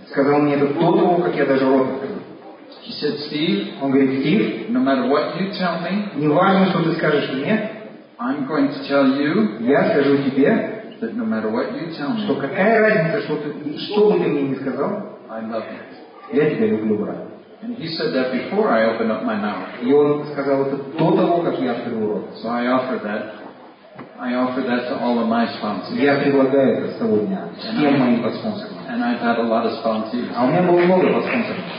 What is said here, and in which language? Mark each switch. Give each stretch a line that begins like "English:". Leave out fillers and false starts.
Russian: Сказал мне это до того, как я даже рот открыл.
English: He said, Steve.
Russian: Он говорит, Стив.
English: No matter what you tell me.
Russian: Не важно, что ты скажешь мне.
English: I'm going to tell you.
Russian: Я скажу тебе,
English: that no matter what you tell me,
Russian: что какая разница, что бы ты мне не сказал,
English: I love you.
Russian: Я тебя люблю, брат.
English: And he said that before I opened up my mouth.
Russian: И он сказал это до того, как я открыл рот.
English: So I offer that. I offer that to all of my sponsors.
Russian: Я предлагаю это с того дня всем моим подспонсорам.
English: And I've had a lot of sponsors.
Russian: А у меня было много подспонсоров.